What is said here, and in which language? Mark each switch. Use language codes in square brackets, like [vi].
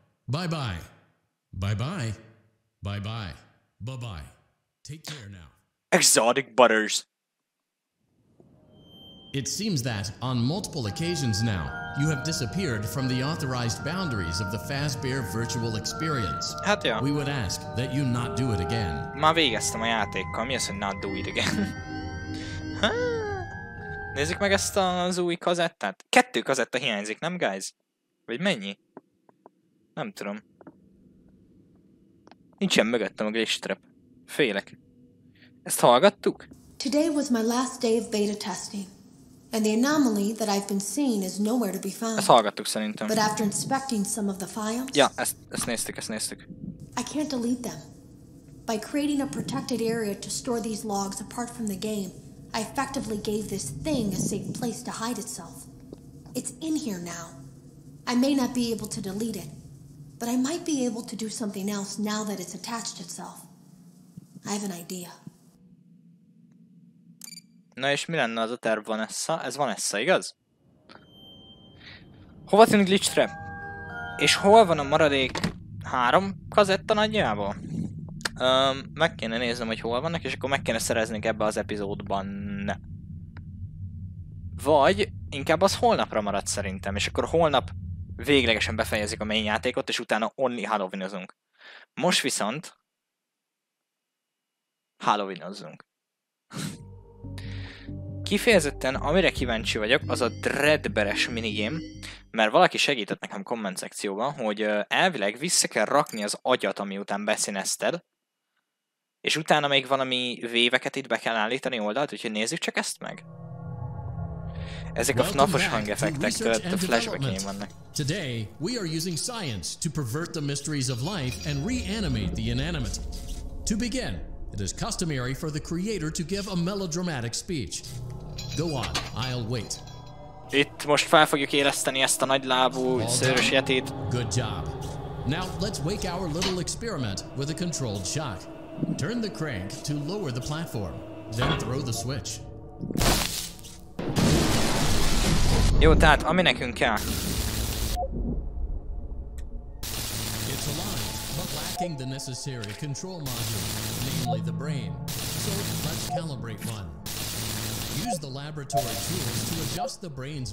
[en] Bye-bye. Bye-bye. Bye-bye. Bye-bye. Take care now. Exotic butters. It seems that, on multiple occasions now, you have disappeared from the authorized boundaries of the Fazbear virtual experience. [hu] Hát jó. [en] We would ask that you not do it again. [hu] Már végeztem a játékkal, mi az, hogy [en] not do it again? [hu] Nézzük meg ezt az új kazettát. Kettő kazetta hiányzik, nem [en] guys? [hu] Vagy mennyi? Nem tudom. Nincsen mögöttem a glitch trap. Félek. Ezt hallgattuk? [en] Today was my last day of beta testing. And the anomaly that I've been seeing is nowhere to be found. [hu] Ezt hallgattuk szerintem. [en] But after inspecting some of the files... [hu] Ja, ezt néztük. [en] I can't delete them. By creating a protected area to store these logs apart from the game, I effectively gave this thing a safe place to hide itself. It's in here now. I may not be able to delete it, but I might be able to do something else now that it's attached itself. I have an idea. [hu] Na és mi lenne az a terv, Vanessa? Ez Vanessa, igaz? Hova tűnt Glitch Trap? És hol van a maradék három kazetta nagyjából? Meg kéne néznem, hogy hol vannak, és akkor meg kéne szereznünk ebbe az epizódban. Vagy inkább az holnapra maradt szerintem, és akkor holnap véglegesen befejezik a main játékot, és utána only Halloween-ozunk. Most viszont... Halloween-ozunk. Kifejezetten amire kíváncsi vagyok, az a Dreadbear-es minigame, mert valaki segített nekem komment szekcióban, hogy elvileg vissza kell rakni az agyat, ami után beszínezted, és utána még valami véveket itt be kell állítani oldalt, úgyhogy nézzük csak ezt meg. Ezek a FNAF-os hangeffektek tört a flashback-én vannak. [en] Today, we are using science to pervert the mysteries of life and reanimate the inanimate. To begin, it is customary for the creator to give a melodramatic speech. Go on, I'll wait. [hu] Itt most fel fogjuk éleszteni ezt a nagylábú szőrös yetit. [en] Good job. Now, let's wake our little experiment with a controlled shock. Turn the crank to lower the platform, then throw the switch. [hu] Jó, tehát ami nekünk kell. [en] It's alive, but lacking the necessary control module, namely the brain. So let's calibrate one. Use the laboratory tools to adjust the brain's.